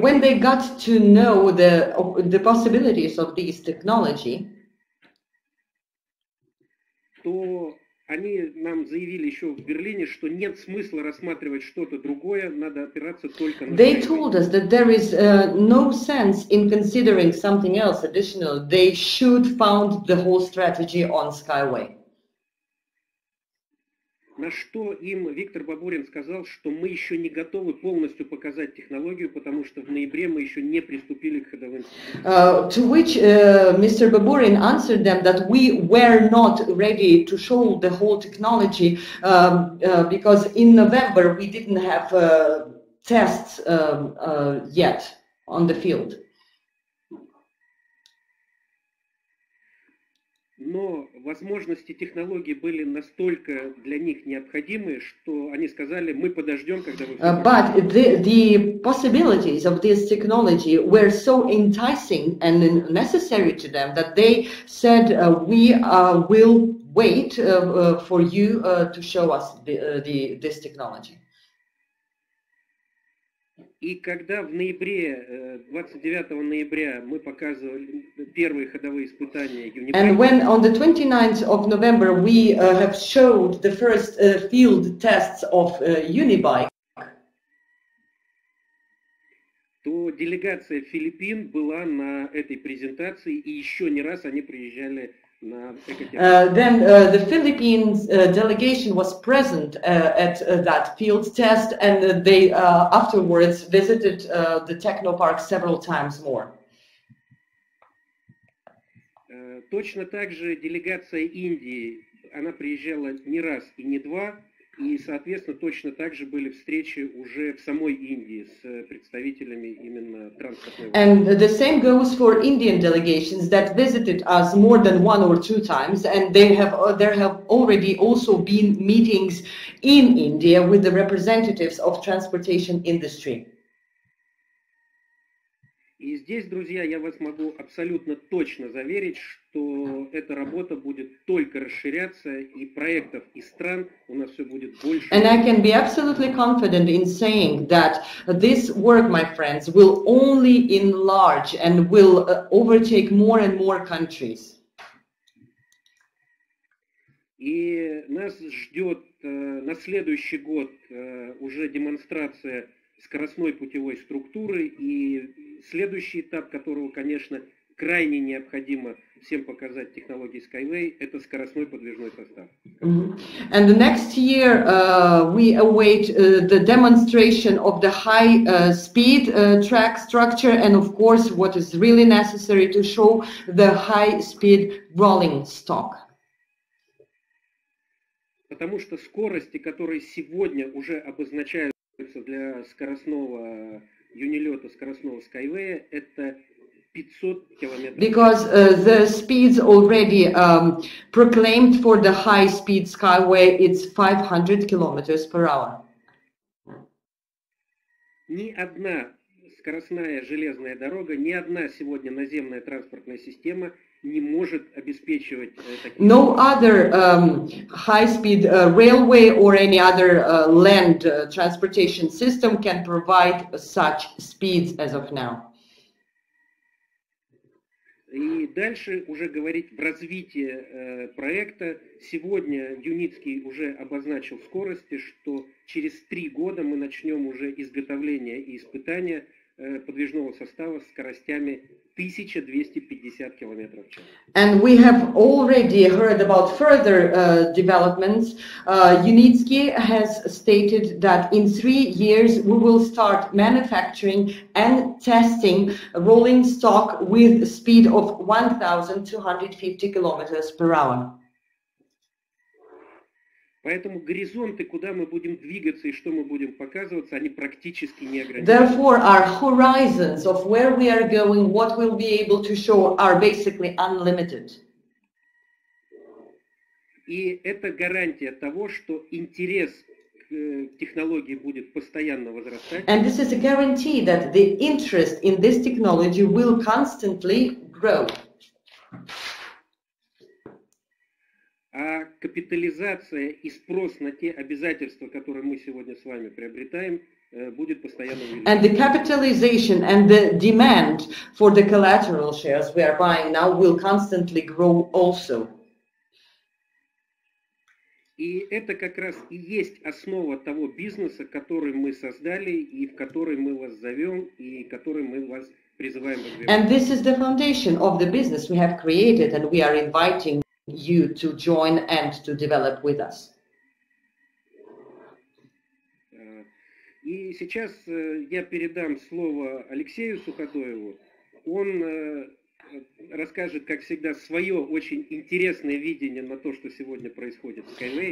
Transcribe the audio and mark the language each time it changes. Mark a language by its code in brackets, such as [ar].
[en] when they got to know the possibilities of these technology, [ru] то они нам заявили еще в Берлине, что нет смысла рассматривать что-то другое, надо опираться только на Skyway. [en] They told us that there is no sense in considering something else additional. They should found the whole strategy on Skyway. [ru] На что им Виктор Бабурин сказал, что мы еще не готовы полностью показать технологию, потому что в ноябре мы еще не приступили к ходовым. [en] To which Mr. Baburin answered them that we were not ready to show the whole technology because in November we didn't have tests yet on the field. [ru] Но возможности технологии были настолько для них необходимы, что они сказали: мы подождем, когда вы. [en] But the possibilities of this technology were so enticing and necessary to them that they said we will wait for you to show us this technology. [ru] И когда в ноябре, 29 ноября, мы показывали первые ходовые испытания Юнипрема. [en] And when on the 29th of November we have showed the first field tests of Unibike, [ru] то делегация Филиппин была на этой презентации, и еще не раз они приезжали на экотех. [en] Then the Philippines delegation was present at that field test, and they afterwards visited the Technopark several times more. [ru] Точно так же делегация Индии, она приезжала не раз и не два, и, соответственно, точно так же были встречи уже в самой Индии с представителями именно транспортной. [en] And the same goes for Indian delegations that visited us more than one or two times, and there have already also been meetings in India with the representatives of transportation industry. [ru] И здесь, друзья, я вас могу абсолютно точно заверить, что эта работа будет только расширяться, и проектов, и стран у нас все будет больше. [en] And I can be absolutely confident in saying that this work, my friends, will only enlarge and will overtake more and more countries. [ru] И нас ждет на следующий год уже демонстрация скоростной путевой структуры, и следующий этап, которого, конечно, крайне необходимо всем показать технологии Skyway, это скоростной подвижной состав. Mm-hmm. [en] And the next year we await the demonstration of the high speed track structure, and of course what is really necessary to show the high speed rolling stock. [ru] Потому что скорости, которые сегодня уже обозначаются для скоростного юнилета, скоростного Skyway, это 500 километров. [en] Because the speeds already proclaimed for the high-speed Skyway, it's 500 kilometers per hour. [ru] Ни одна скоростная железная дорога, ни одна сегодня наземная транспортная система не может обеспечивать такие... [en] No other high-speed railway or any other land transportation system can provide such speeds as of now. [ru] И дальше уже говорить в развитии проекта. Сегодня Юницкий уже обозначил скорости, что через 3 года мы начнем уже изготовление и испытания подвижного состава с скоростями 1250 километров. [en] And we have already heard about further developments. Юницкий has stated that in 3 years we will start manufacturing and testing rolling stock with speed of 1250 kilometers per hour. [ru] Поэтому горизонты, куда мы будем двигаться и что мы будем показываться, они практически не ограничены. [en] Therefore, our horizons of where we are going, what we'll be able to show, are basically unlimited. [ru] И это гарантия того, что интерес к технологии будет постоянно возрастать. [en] And this is a guarantee that the interest in this technology will constantly grow. [ru] А капитализация и спрос на те обязательства, которые мы сегодня с вами приобретаем, будет постоянно увеличиваться. [en] And the capitalization and the demand for the collateral shares we are buying now will constantly grow also. [ru] И это как раз и есть основа того бизнеса, который мы создали и в который мы вас зовем и который мы вас призываем развивать. [en] And this is the foundation of the business we have created and we are inviting you to join and to develop with us. [ru] И сейчас я передам слово Алексею Суходоеву. Он расскажет, как всегда, свое очень интересное видение на то, что сегодня происходит в Skyway.